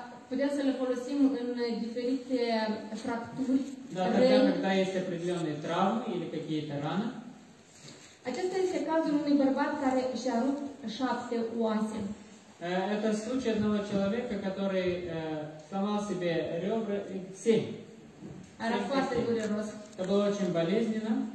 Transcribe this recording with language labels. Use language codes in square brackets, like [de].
[ro] Putem să le folosim în diferite fracturi. Da, dacă este [ru] определенные травмы или какие-то раны. [ro] Acesta este cazul unui bărbat care și-a rupt 7 oase. [ru] Это случай одного человека, который сломал себе ребра 7. [ro] Era foarte dureros. [ru] Это было очень болезненно.